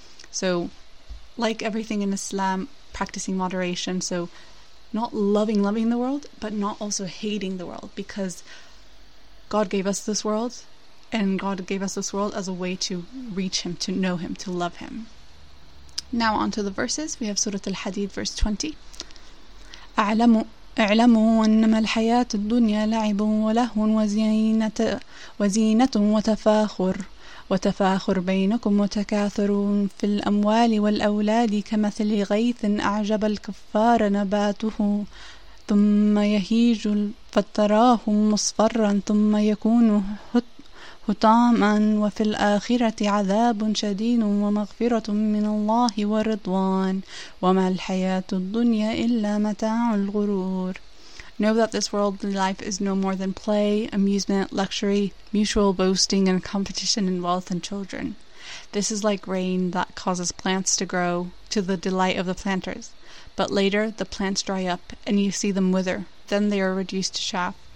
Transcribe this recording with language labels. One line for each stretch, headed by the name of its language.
English: So, like everything in Islam, practicing moderation, so not loving the world, but not also hating the world, because God gave us this world. And God gave us this world as a way to reach Him, to know Him, to love Him. Now on to the verses. We have Surah Al-Hadid, verse 20.
Arabic: أَعْلَمُوا أَنَّمَا الْحَيَاةُ الدُّنْيَا لَعِبٌ وَلَهُنْ وَزِينَةٌ وَتَفَاخُرٌ بَيْنَكُمْ وَتَكَاثُرٌ فِي الْأَمْوَالِ وَالْأَوْلَادِ كَمَثَلِ غَيْثٍ أَعْجَبَ الْكُفَّارَ نَبَاتُهُ ثُمَّ يَهِيجُ فَتَرَاهُ مُصْفَرًا ثُمَّ يَكُونُ حطاما وفي الآخرة عذاب شديد ومغفرة من الله ورضوان وما الحياة الدنيا إلا متاع الغرور.
English: Know that this worldly life is no more than play, amusement, luxury, mutual boasting and competition in wealth and children. This is like rain that causes plants to grow to the delight of the planters. But later the plants dry up and you see them wither. Then they are reduced to chaff.